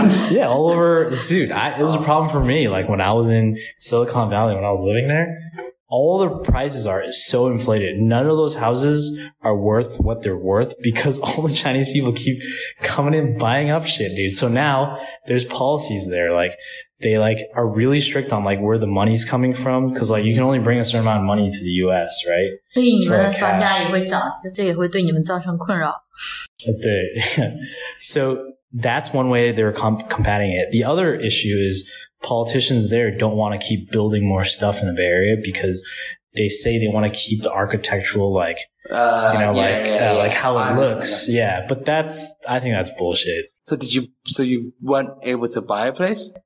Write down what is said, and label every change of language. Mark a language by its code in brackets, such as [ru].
[en] Yeah, all over the suit. It was a problem for me, like, when I was in Silicon Valley, when I was living there, all the prices are so inflated. None of those houses are worth what they're worth because all the Chinese people keep coming in buying up shit, dude. So now there's policies there. Like they like are really strict on like where the money's coming from. Cause like you can only bring a certain amount of money to the US, right? [zh] 对你们的房价也会涨，这也会对你们造成困扰。对。 [en] So that's one way they're combating it. The other issue is, politicians there don't want to keep building more stuff in the Bay Area because they say they want to keep the architectural, like, like how it looks. Yeah. But I think that's bullshit. So you weren't able to buy a place?